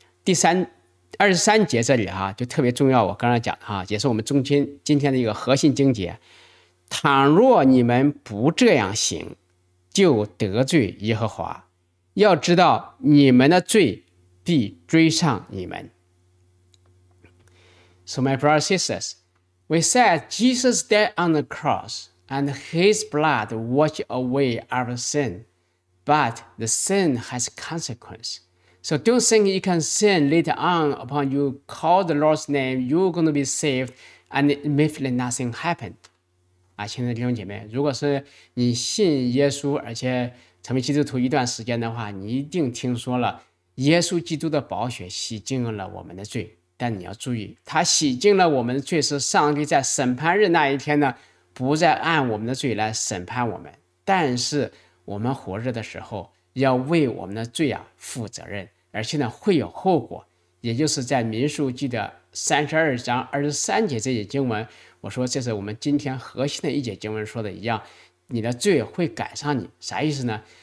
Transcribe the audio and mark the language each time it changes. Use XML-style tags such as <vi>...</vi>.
<zh>第三二十三节这里哈、就特别重要，我刚才讲哈、也是我们中间今天的一个核心经节，倘若你们不这样行，就得罪耶和华，要知道你们的罪必追上你们。</zh> <en>So my brothers and sisters, we said Jesus died on the cross and his blood washed away our sin, but the sin has consequence. So don't think you can sin later on upon you call the Lord's name, you're going to be saved and immediately nothing happened.</en> <zh>啊，亲爱的弟兄姐妹，如果是你信耶稣而且成为基督徒一段时间的话，你一定听说了耶稣基督的宝血洗净了我们的罪，但你要注意，他洗净了我们的罪是上帝在审判日那一天呢，不再按我们的罪来审判我们，但是我们活着的时候要为我们的罪啊负责任，而且呢会有后果，也就是在民数记的三十二章二十三节这节经文，我说这是我们今天核心的一节经文说的一样，你的罪会赶上你，啥意思呢？</zh>